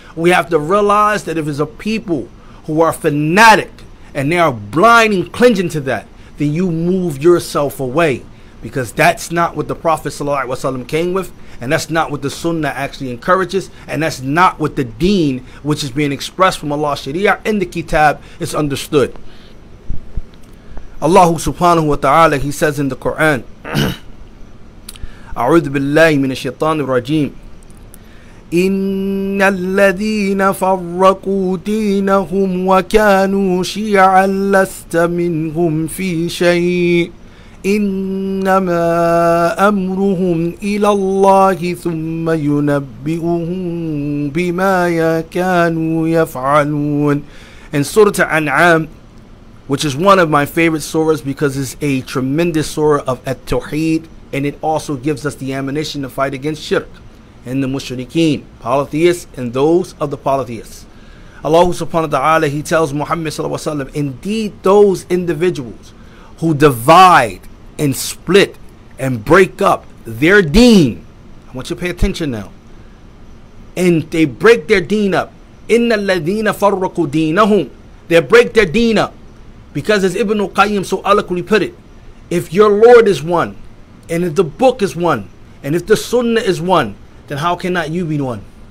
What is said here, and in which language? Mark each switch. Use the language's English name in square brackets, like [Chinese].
[English] We have to realize that if it's a people who are fanatic and they are blind and clinging to that, then you move yourself away. Because that's not what the Prophet ﷺ came with, and that's not what the Sunnah actually encourages, and that's not what the deen, which is being expressed from Allah's Sharia in the Kitab, is understood. Allah subhanahu wa ta'ala, he says in the Quran, [Arabic] أعوذ بالله من الشيطان الرجيم إن الذين فرقوا دينهم وكانوا شيعا لست منهم في شيء إنما أمرهم إلى الله ثم ينبئهم بما كانوا يفعلون. [English] In Surah An'am, which is one of my favorite surahs because it's a tremendous surah of At-Tawheed, and it also gives us the ammunition to fight against shirk and the mushrikeen, polytheists, and those of the polytheists. Allah subhanahu wa ta'ala, he tells Muhammad sallallahu alayhi wa sallam, indeed those individuals who divide and split and break up their deen, I want you to pay attention now, and they break their deen up, [Arabic] إِنَّ الَّذِينَ فَرَّقُوا دِينَهُمْ, [English] they break their deen up, because as Ibn al-Qayyim so eloquently put it, if your Lord is one, and if the book is one, and if the sunnah is one, then how cannot you be one?